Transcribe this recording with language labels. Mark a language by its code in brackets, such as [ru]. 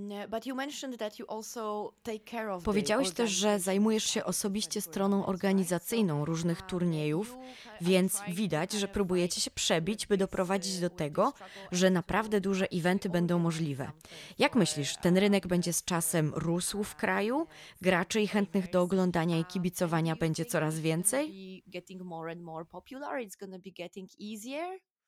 [en] But you mentioned that you also take care of. [pl] Powiedziałeś też, że zajmujesz się osobiście stroną organizacyjną różnych turniejów, więc widać, że próbujecie się przebić, by doprowadzić do tego, że naprawdę duże eventy będą możliwe. Jak myślisz, ten rynek będzie z czasem rósł w kraju? Graczy i chętnych do oglądania i kibicowania będzie coraz więcej? [en] Getting more and more popular, it's gonna be getting easier.